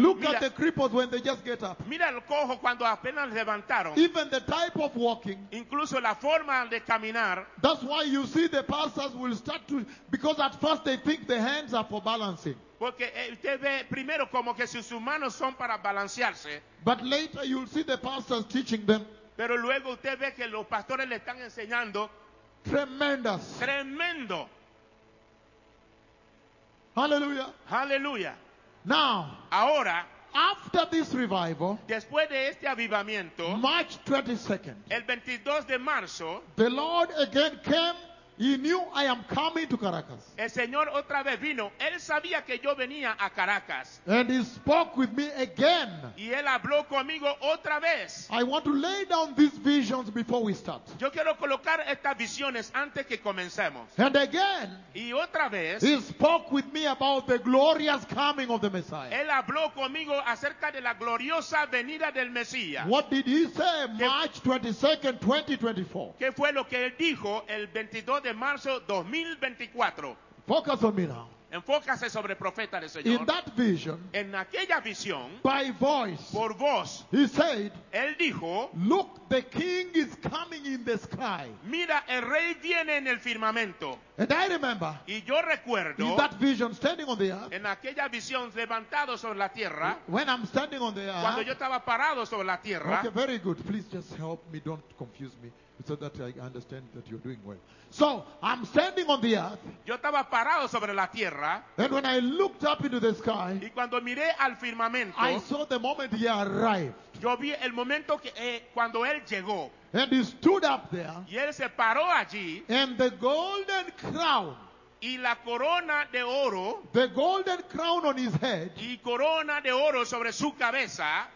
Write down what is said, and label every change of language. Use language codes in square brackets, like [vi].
[en] Look at the cripples when they just get up. [es] Mira el cojo cuando apenas levantaron. [en] Even the type of walking. [es] Incluso la forma de caminar. [en] That's why you see the pastors will start to, because at first they think the hands are for balancing. [es] Porque usted ve primero como que sus manos son para balancearse. [en] But later you'll see the pastors teaching them. [es] Pero luego usted ve que los pastores le están enseñando. [en] Tremendous. [es] Tremendo. [en] Hallelujah. Hallelujah. Now, [es] ahora, [en] after this revival, [es] después de este avivamiento, [en] March 22nd, [es] el 22 de marzo, [en] the Lord again came. He knew I am coming to Caracas. [es] El Señor otra vez vino. Él sabía que yo venía a Caracas. [en] And he spoke with me again. [es] Y él habló conmigo otra vez. [en] I want to lay down these visions before we start. [es] Yo quiero colocar estas visiones antes que comencemos. [en] And again. [es] Y otra vez. [en] He spoke with me about the glorious coming of the Messiah. [es] Él habló conmigo acerca de la gloriosa venida del Mesías. [en] What did he say? March 22nd, 2024. [es] ¿Qué fue lo que él dijo el 22 de marzo 2024. [en] Focus on me now. [es] Enfócase sobre el profeta del Señor. [en] In that vision, [es] en aquella visión, [en] by voice, [es] por voz, [en] he said, [es] él dijo, [en] look, the king is coming in the sky. [es] Mira, el rey viene en el firmamento. [en] And I remember, [es] y yo recuerdo, [en] in that vision, standing on the earth, [es] en aquella visión levantado sobre la tierra, [en] when I'm standing on the earth, [es] cuando yo estaba parado sobre la tierra. [en] Okay, very good. Please just help me, don't confuse me. So that I understand that you're doing well. So I'm standing on the earth. [es] Yo estaba parado sobre la tierra. [en] And when I looked up into the sky, [es] y cuando miré al firmamento, [en] I saw the moment he arrived. [es] Yo vi el momento que cuando él llegó. [en] And he stood up there. [es] Y él se paró allí. [en] And the golden crown. [es] Y la corona de oro. [en] The golden crown on his head. [es] Y corona de oro sobre su cabeza.